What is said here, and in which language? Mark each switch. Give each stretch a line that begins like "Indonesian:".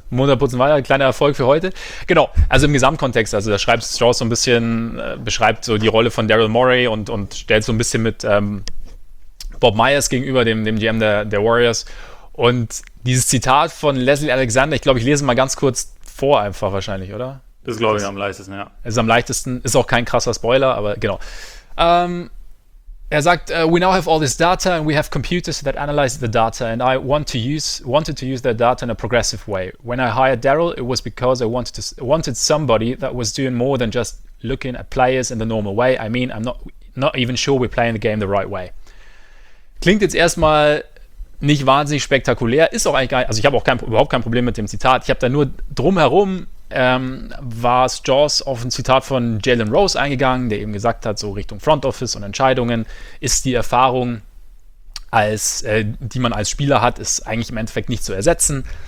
German: Munterputzen weiter, kleiner Erfolg für heute. Genau, also im Gesamtkontext, also da schreibt Strauss so ein bisschen, beschreibt so die Rolle von Daryl Morey und stellt so ein bisschen mit Bob Myers gegenüber, dem GM der Warriors. Und dieses Zitat von Leslie Alexander, ich glaube, ich lese mal ganz kurz vor einfach wahrscheinlich, oder? Das glaube ich am leichtesten, ja. Ist am leichtesten, ist auch kein krasser Spoiler, aber genau. Er sagt,
English: we now have all this data and we have computers that analyze the data and I wanted to use that data in a progressive way. When I hired Daryl, it was because I wanted somebody that was doing more than just looking at players in the normal way. I mean, I'm not even sure we're playing the game the right way.
German: Klingt jetzt erstmal nicht wahnsinnig spektakulär, ist auch eigentlich gar nicht, also ich habe auch überhaupt kein Problem mit dem Zitat. Ich habe da nur drumherum war Strauss auf ein Zitat von Jalen Rose eingegangen, der eben gesagt hat, so Richtung Front Office und Entscheidungen ist die Erfahrung, die man als Spieler hat, ist eigentlich im Endeffekt nicht zu ersetzen.